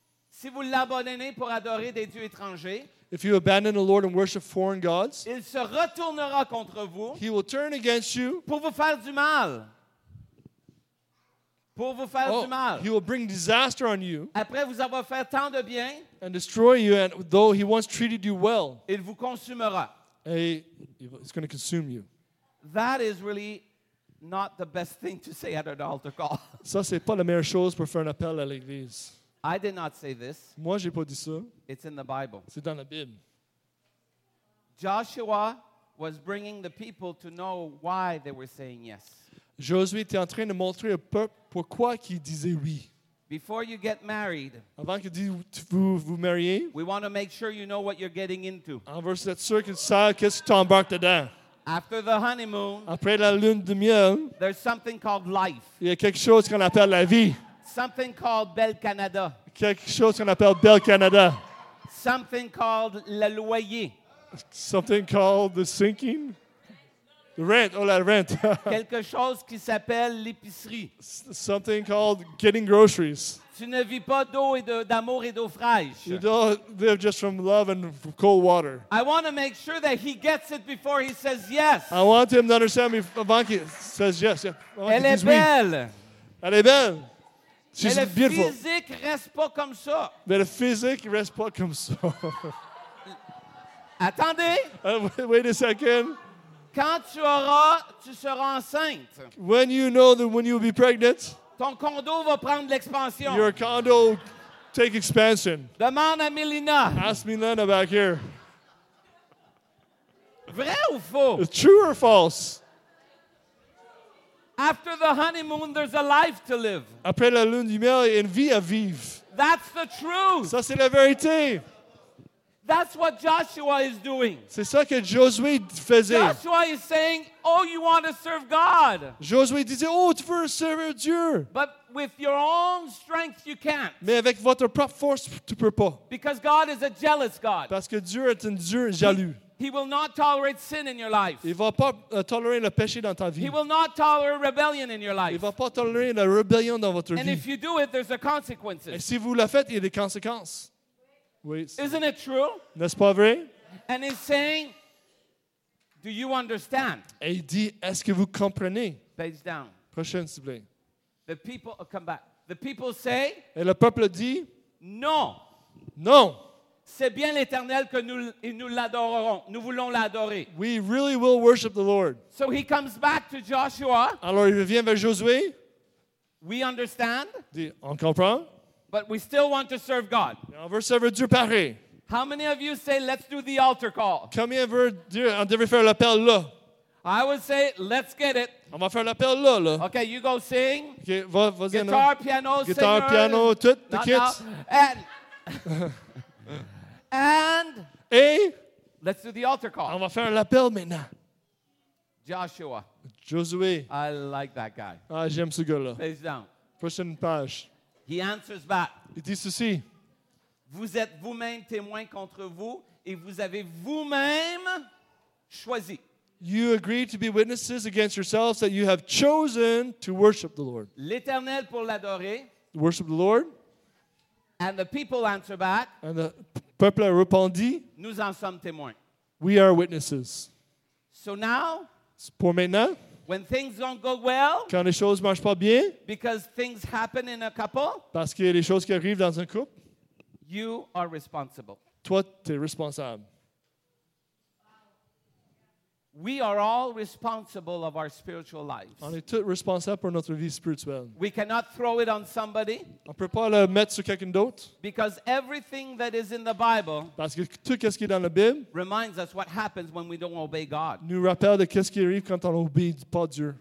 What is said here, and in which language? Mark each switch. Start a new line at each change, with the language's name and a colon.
French: Si vous l'abandonnez pour adorer des dieux étrangers,
English: if you abandon the Lord and worship foreign gods,
French: il se retournera contre vous,
English: he will turn against you,
French: pour vous faire du mal, pour vous faire du mal.
English: He will bring disaster on you.
French: Après vous avoir fait tant de bien,
English: and destroy you, and though he once treated you well,
French: il vous consumera.
English: It's going to consume you. That is really not the best thing to say at an altar call.
French: Ça c'est pas la meilleure chose pour faire un appel à l'église.
English: I did not say this.
French: Moi j'ai pas dit ça.
English: It's in the Bible.
French: C'est dans la Bible.
English: Joshua was bringing the people to know why they were saying yes.
French: Josué était en train de montrer au peuple pourquoi qu'il disait oui.
English: Before you get married,
French: avant que vous mariez,
English: we want to make sure you know what you're getting into.
French: On veut être sûr que ça, qu'est-ce que tu embarques dedans.
English: After the honeymoon,
French: après la lune de miel,
English: there's something called life.
French: Il y a quelque chose qu'on appelle la vie.
English: Something called Bell Canada.
French: Quelque chose qu'on appelle Bell Canada.
English: Something called
French: le loyer.
English: Something called the sinking. The rent, la rent.
French: Quelque chose qui s'appelle l'épicerie.
English: Something called getting groceries.
French: Tu ne vis pas d'eau et d'amour et d'eau fraîche.
English: You don't live just from love and cold water. I want to make sure that he gets it before he says yes. I want him to understand me
French: avant qu'il
English: says yes.
French: Elle est belle. Elle est belle.
English: She's beautiful.
French: Mais le physique reste pas comme ça. Mais le physique reste pas comme ça. Attendez.
English: Wait a second.
French: Quand tu seras enceinte,
English: when you know that when you'll be pregnant,
French: ton condo va prendre l'expansion.
English: Your condo will take expansion.
French: Demande à Melina.
English: Ask Melina back here.
French: Vrai ou faux?
English: True or false? After the honeymoon, there's a life to live.
French: Après la lune du miel, il y a une vie à vivre.
English: That's the truth.
French: Ça, c'est la vérité.
English: That's what Joshua is doing.
French: C'est ça que Josué faisait.
English: Joshua is saying, "Oh, you want to serve God."
French: Josué disait, "Oh, tu veux servir Dieu."
English: But with your own strength, you can't.
French: Mais avec votre propre force, tu peux pas.
English: Because God is a jealous God.
French: Parce que Dieu est un Dieu jaloux.
English: He will not tolerate sin in your life.
French: Il va pas tolérer le péché dans ta vie.
English: He will not tolerate rebellion in your life.
French: Il va pas tolérer la rébellion dans votre vie.
English: And if you do it, there's a consequences.
French: Et si vous le faites, il y a des conséquences.
English: Isn't it true?
French: N'est-ce pas vrai?
English: And he's saying, "Do you understand?"
French: Et il dit, est-ce que vous comprenez?
English: Page down.
French: Prochaine, s'il vous plaît.
English: The people come back. The people say.
French: Et le peuple dit. Non. Non. C'est bien l'Éternel que nous l'adorerons. Nous voulons l'adorer.
English: We really will worship the Lord. So he comes back to Joshua.
French: Alors il revient vers Josué.
English: We understand.
French: Dit, on comprend.
English: But we still want to serve God.
French: On veut servir Dieu pareil.
English: How many of you say, "Let's do the altar call"?
French: Combien veut dire, on devrait faire l'appel là?
English: I would say, "Let's get it."
French: On va faire l'appel là.
English: Okay, you go sing.
French: Okay, vas-y.
English: Guitar, piano, singer. Guitar, piano, tout, the kids. And.
French: Et.
English: Let's do the altar call.
French: On va faire l'appel maintenant.
English: Joshua.
French: Josué.
English: I like that guy.
French: Ah, j'aime ce gars-là.
English: Face down.
French: Prochaine page.
English: He answers back.
French: Il dit ceci. Vous êtes vous-même témoin contre vous et vous avez vous-même choisi.
English: You agree to be witnesses against yourselves that you have chosen to worship the Lord.
French: L'Éternel pour l'adorer.
English: Worship the Lord. And the people answer back. And the
French: peuple a répondu. Nous en sommes témoins.
English: We are witnesses. So now.
French: Pour maintenant.
English: When things don't go well,
French: quand les choses marchent pas bien,
English: because things happen in a couple,
French: parce qu'il y a des choses qui arrivent dans un couple,
English: you are responsible.
French: Toi, t'es responsable.
English: We are all responsible of our spiritual lives.
French: On est tous responsables pour notre vie spirituelle.
English: We cannot throw it on somebody.
French: On peut pas le mettre sur quelqu'un d'autre.
English: Because everything that is in the Bible,
French: parce que tout qu'est-ce qui est dans la Bible,
English: reminds us what happens when we don't obey God.
French: Nous rappelle de qu'est-ce qui arrive quand on obéit pas Dieu.